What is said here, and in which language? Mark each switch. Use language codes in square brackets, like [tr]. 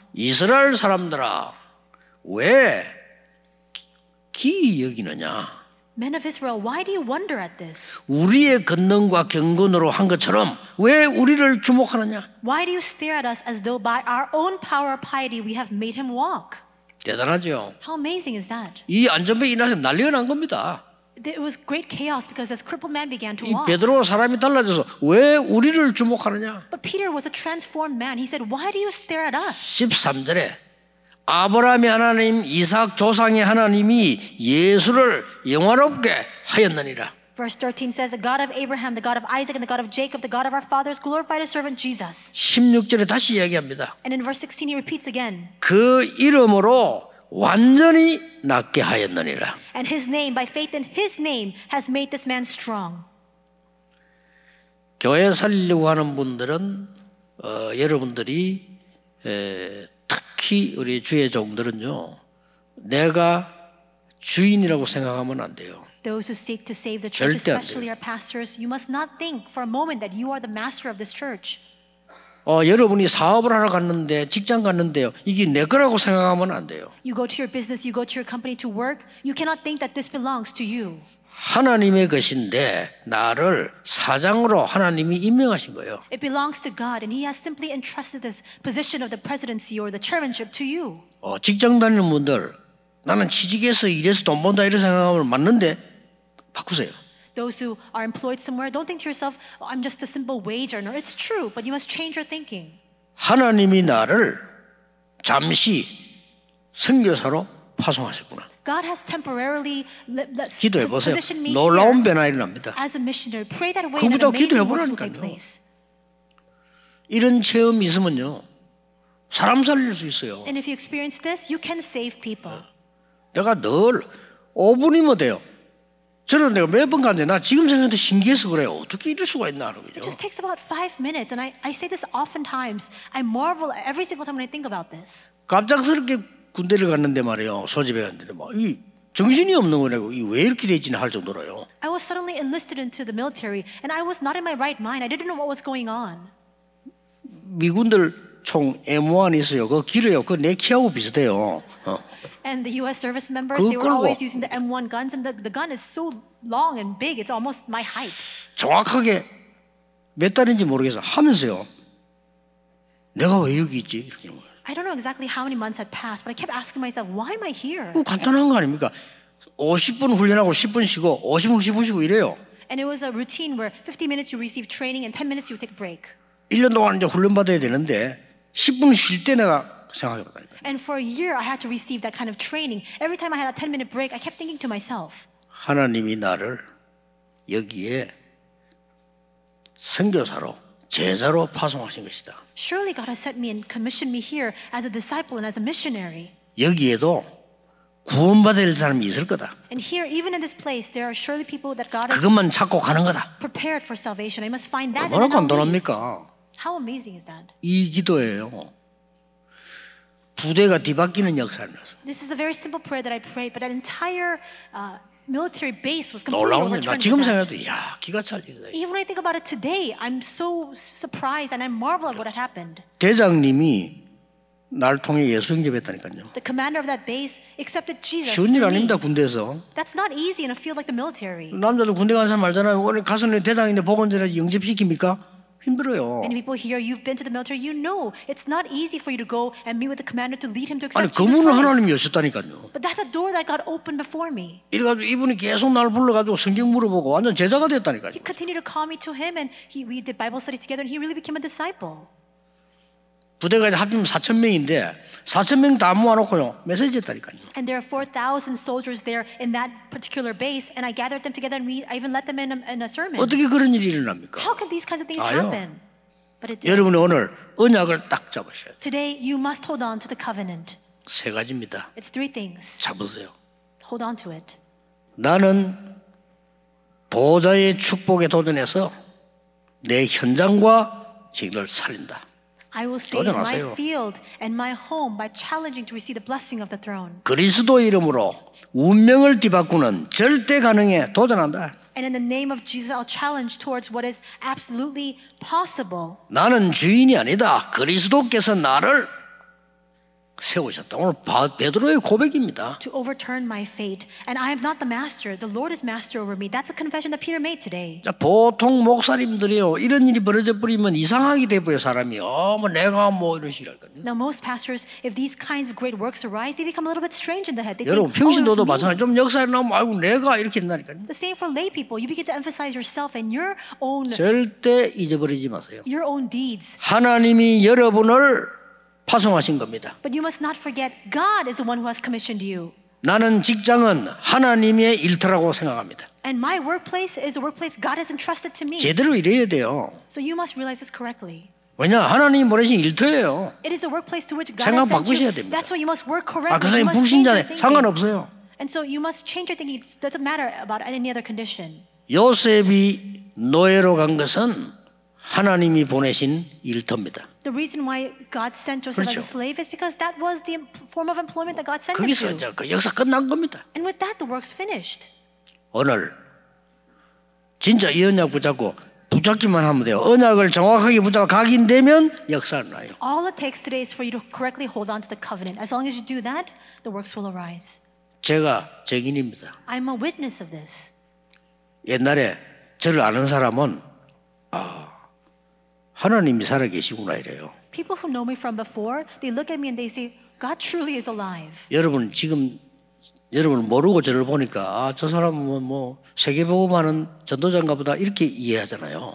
[ko] 이스라엘 사람들아, 왜 기이 여기느냐? [en] Men of Israel, why do you wonder at this? [ko] 우리의 근능과 경건으로 한 것처럼 왜 우리를 주목하느냐? [en] Why do you stare at us as though by our own power or piety we have made him walk? [ko] 대단하죠. [en] How amazing is that? [ko] 이 안전병이 나서 난리가 난 겁니다. [en] It was great chaos because this crippled man began to walk. [ko] 이 베드로가 사람이 달라져서 왜 우리를 주목하느냐? [en] But Peter was a transformed man. He said, "Why do you stare at us?" [ko] 13절에 아브라함의 하나님, 이삭 조상의 하나님이 예수를 영화롭게 하였느니라. [en] Verse 13 says, "The God of Abraham, the God of Isaac, and the God of Jacob, the God of our fathers, glorified His servant Jesus." [ko] 16절에 다시 이야기합니다. [en] And in verse 16, he repeats again. [ko] 그 이름으로 완전히 낫게 하였느니라. [en] And His name, by faith in His name, has made this man strong. [ko] 교회 살리려고 하는 분들은 여러분들이 우리 주의 종들은요, 내가 주인이라고 생각하면 안 돼요. [en] Those who seek to save the church, especially our pastors, you must not think for a moment that you are the master of this church. [ko] 여러분이 사업을 하러 갔는데 직장 갔는데요, 이게 내 거라고 생각하면 안 돼요. [en] You go to your business, you go to your company to work. You cannot think that this belongs to you. [ko] 하나님의 것인데 나를 사장으로 하나님이 임명하신 거예요. [en] It belongs to God and He has simply entrusted this position of the presidency or the chairmanship to you. [ko] 직장 다니는 분들 나는 취직해서 일해서 돈 번다 이런 생각하면 맞는데 바꾸세요. [en] Those who are employed somewhere don't think to yourself, oh, I'm just a simple wage earner. It's true, but you must change your thinking. [ko] 하나님이 나를 잠시 선교사로 파송하셨구나. [en] God has temporarily let's [ko] 기도해보세요. [en] Position me [ko] 놀라운 변화 일어납니다. [en] As a missionary, pray that way. [ko] 그부터 기도해보라니까요. 이런 체험 있으면요, 사람 살릴 수 있어요. [en] And if you experience this, you can save people. [ko] 내가 늘 5분이면 돼요. 저는 내가 몇 번 갔는데 나 지금 생각해도 신기해서 그래요. 어떻게 이럴 수가 있나 하는 거죠. [en] It just takes about 5 minutes and I say this oftentimes. I marvel every single time when I think about this. [ko] 갑작스럽게 군대를 갔는데 말이에요. 소집해 갔는데 막 이 정신이 없는 거라고 이 왜 이렇게 돼 있지는 할 정도로요. [en] I was suddenly enlisted into the military and I was not in my right mind. I didn't know what was going on. [ko] 미군들 총 M1 있어요. 그거 길어요. 그거 내 키하고 비슷해요. [en] And the U.S. service members, they were always using the M1 guns, and the gun is so long and big, it's almost my height. [ko] 정확하게 몇 달인지 모르겠어. 하면서요. 내가 왜 여기 있지? 이렇게 하는 거예요. [en] I don't know exactly how many months had passed, but I kept asking myself, why am I here? [ko] 그 간단한 거 아닙니까? 50분 훈련하고 10분 쉬고, 50분 10분 쉬고 이래요. [en] And it was a routine where 50 minutes you receive training and 10 minutes you take a break. [ko] 1년 동안 이제 훈련 받아야 되는데 10분 쉴 때 내가 생각해봤다니까. [en] And for a year I had to receive that kind of training. Every time I had a 10-minute break, I kept thinking to myself. [ko] 하나님이 나를 여기에 선교사로 제자로 파송하신 것이다. [en] Surely God has sent me and commissioned me here as a disciple and as a missionary. [ko] 여기에도 구원받을 사람이 있을 거다. [en] And here, even in this place, there are surely people that God. [ko] 그것만 찾고 가는 거다. [en] Prepared for salvation, I must find that. [ko] 얼마나 간단합니까? [en] How amazing is that? [ko] 이 기도예요. 부대가 뒤바뀌는 역사입니다. [en] This is a very simple prayer that I prayed, but an entire military base was completely overturned. [ko] 놀라운 일. 나 지금 생각해도 야 기가 찰리네. [en] Even when I think about it today, I'm so surprised and I marvel at what had happened. [ko] 대장님이 날 통해 예수 영접했다니까요. [en] The commander of that base accepted Jesus. [ko] 쉬운 일 아닙니다 군대에서. [en] That's not easy in a field like the military. [ko] 남자도 군대 간 사람 알잖아요. 오늘 가서는 대장인데 복원전에 영접시킵니까? 힘들어요. [en] Many people here, you've been to the military, you know it's not easy for you to go and meet with the commander to lead him to accept. [ko] 아니 그 문을 하나님이 여셨다니까요. [en] But that's a door that God opened before me. [ko] 이래가지고 이분이 계속 나를 불러가지고 성경 물어보고 완전 제자가 됐다니까요. [en] He continued to call me to him, and we did Bible study together, and he really became a disciple. [ko] 부대가 합치면 4천 명인데 4천 명 다 모아놓고요 메시지 했다니까요. [en] And there are 4,000 soldiers there in that particular base, and I gathered them together, and we I even let them in a sermon. [ko] 어떻게 그런 일이 일어납니까? [en] How can these kinds of things happen? But it did. [ko] 여러분 오늘 언약을 딱 잡으셔야 돼요. [en] Today you must hold on to the covenant. [ko] 세 가지입니다. [en] It's 3 things. [ko] 잡으세요. [en] Hold on to it. [ko] 나는 보좌의 축복에 도전해서 내 현장과 직을 살린다. [en] I will save my field and my home by challenging to receive the blessing of the throne. [ko] 그리스도의 이름으로 운명을 뒤바꾸는 절대 가능에 도전한다. [en] And in the name of Jesus, I'll challenge towards what is absolutely possible. [ko] 나는 주인이 아니다. 그리스도께서 나를 세우셨다. 오늘 베드로의 고백입니다. [en] To overturn my fate, and I am not the master. The Lord is master over me. That's a confession that Peter made today. [ko] 자, 보통 목사님들이요, 이런 일이 벌어져 버리면 이상하게 돼 보여 사람이. 뭐 내가 뭐 이런 식이랄 거예요. [en] Now most pastors, if these kinds of great works arise, they become a little bit strange in the head. They [ko] 여러분 [en] think, [ko] 평신도도 마찬가지. 좀 역사에 나오면 아이고 내가 이렇게 된다니까. [en] The same for lay people. You begin to emphasize yourself and your own. [ko] 절대 잊어버리지 마세요. [en] Your own deeds. [ko] 하나님이 여러분을 파송하신 겁니다. [en] But you must not forget God is the one who has commissioned you. [ko] 나는 직장은 하나님의 일터라고 생각합니다. [en] And my workplace is the workplace God has entrusted to me. [ko] 제대로 일해야 돼요. [en] So you must realize this correctly. [ko] 왜냐? 하나님이 보내신 일터예요. [en] It is the workplace to which God has sent you. [ko] 바꾸셔야 됩니다. [en] That's why you must work correctly. [ko] 아, 그 사람이 불신자네. 상관없어요. [en] And so you must change your thinking. It doesn't matter about any other condition. [ko] 요셉이 노예로 간 것은 하나님이 보내신 일터입니다. [en] The reason why God sent Joseph [ko] 그렇죠. [en] as a slave is because that was the form of employment that God sent him to. [ko] 거기서 이제 그 역사 끝난 겁니다. [en] And with that, the work's finished. [ko] 오늘 진짜 이 언약 붙잡고 붙잡기만 하면 돼요. 언약을 정확하게 붙잡아 각인되면 역사는 나요. [en] All it takes today is for you to correctly hold on to the covenant. As long as you do that, the works will arise. [ko] 제가 증인입니다. [en] I'm a witness of this. [ko] 옛날에 저를 아는 사람은 하나님이 살아계시구나 이래요. [en] People who know me from before, they look at me and they say, God truly is alive. [ko] 여러분 지금 여러분 모르고 저를 보니까 아, 저 사람은 뭐 세계복음하는 전도자인가 보다 이렇게 이해하잖아요.